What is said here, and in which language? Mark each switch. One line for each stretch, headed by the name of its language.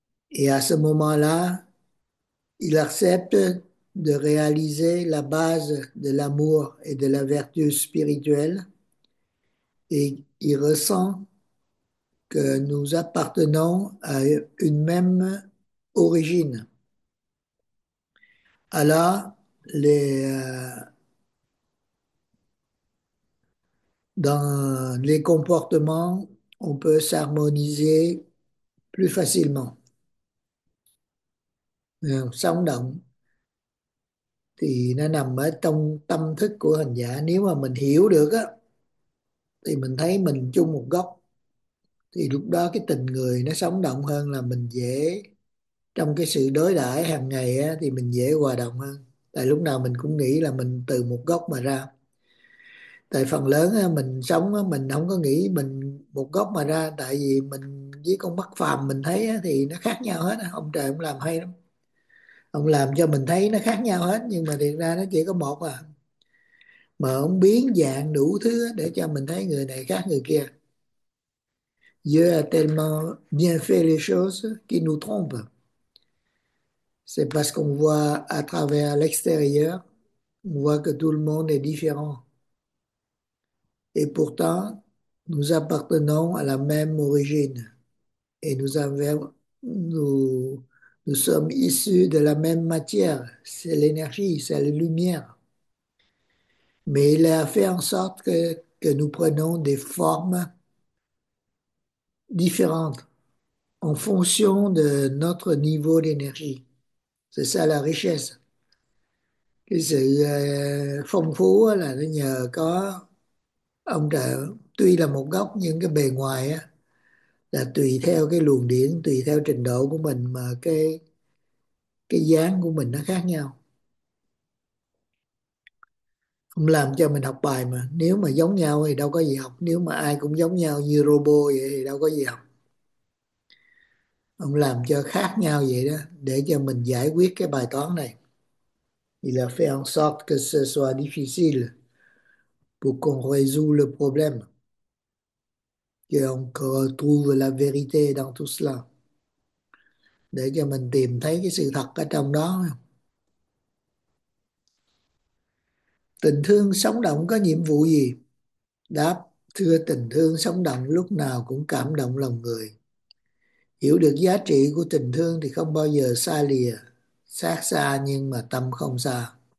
French: Et à ce moment-là, il accepte de réaliser la base de l'amour et de la vertu spirituelle, et il ressent que nous appartenons à une même origine. Alors, dans les comportements, on peut s'harmoniser plus facilement.
Vietnamese: Sống động thì nó nằm ở trong tâm thức của hành giả. Nếu mà mình hiểu được á, thì mình thấy mình chung một góc, thì lúc đó cái tình người nó sống động hơn, là mình dễ trong cái sự đối đãi hàng ngày á, thì mình dễ hòa đồng hơn. Tại lúc nào mình cũng nghĩ là mình từ một góc mà ra. Tại phần lớn mình sống mình không có nghĩ mình một góc mà ra, tại vì mình với con mắt phàm mình thấy thì nó khác nhau hết. Ông trời ông làm hay lắm, ông làm cho mình thấy nó khác nhau hết, nhưng mà thiệt ra nó chỉ có một à, mà ông biến dạng đủ thứ để cho mình thấy người này khác người kia.
French: Dieu a tellement bien fait les choses qu'il nous trompe. C'est parce qu'on voit à travers l'extérieur, on voit que tout le monde est différent. Et pourtant, nous appartenons à la même origine. Et nous sommes issus de la même matière. C'est l'énergie, c'est la lumière. Mais il a fait en sorte que nous prenons des formes différentes en fonction de notre niveau d'énergie. C'est ça la richesse.
Vietnamese: Cái sự phong phú là nó nhờ có ông trời, tuy là một góc nhưng cái bề ngoài á, là tùy theo cái luồng điển, tùy theo trình độ của mình mà cái dáng của mình nó khác nhau. Không làm cho mình học bài mà. Nếu mà giống nhau thì đâu có gì học. Nếu mà ai cũng giống nhau như robot vậy thì đâu có gì học. Ông làm cho khác nhau vậy đó, để cho mình giải quyết cái bài toán này.
French: Il a fait en sorte que ce soit difficile pour qu'on résout le problème, et on retrouve la vérité dans tout cela.
Vietnamese: Để cho mình tìm thấy cái sự thật ở trong đó. Tình thương sống động có nhiệm vụ gì? Đáp, thưa tình thương sống động lúc nào cũng cảm động lòng người. Hiểu được giá trị của tình thương thì không bao giờ xa lìa, xác xa nhưng mà tâm không xa.